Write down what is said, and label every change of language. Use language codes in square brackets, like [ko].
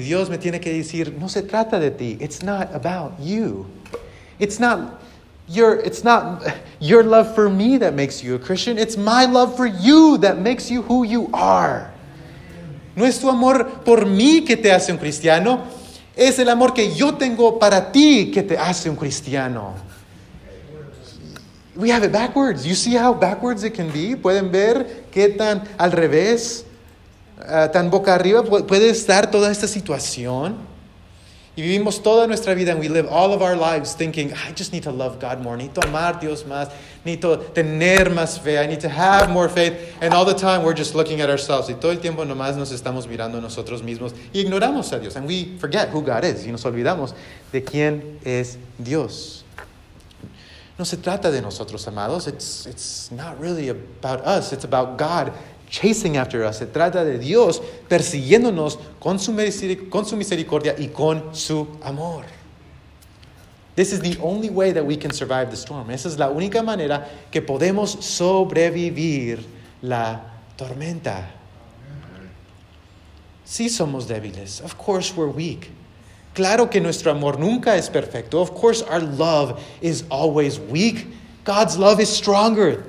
[es] Dios me tiene que decir, no se trata de ti. [en] It's not about you. It's not your love for me that makes you a Christian. It's my love for you that makes you who you are. [es] No es tu amor por mí que te hace un cristiano. Es el amor que yo tengo para ti que te hace un cristiano. [en] We have it backwards. You see how backwards it can be? [es] Pueden ver qué tan al revés, tan boca arriba puede estar toda esta situación. Y vivimos toda nuestra vida, [en] and we live all of our lives thinking, I just need to love God more. [es] Necesito amar a Dios más. Necesito tener más fe. [en] I need to have more faith. And all the time, we're just looking at ourselves. [es] Y todo el tiempo nomás nos estamos mirando a nosotros mismos. Y ignoramos a Dios. [en] And we forget who God is. [es] Y nos olvidamos de quién es Dios. No se trata de nosotros, amados. [en] It's not really about us. It's about God chasing after us. [es] Se trata de Dios persiguiéndonos con su misericordia y con su amor. [en] This is the only way that we can survive the storm. [es] Esa es la única manera que podemos sobrevivir la tormenta. Sí somos débiles. [en] Of course we're weak. [es] Claro que nuestro amor nunca es perfecto. [en] Of course our love is always weak. God's love is stronger.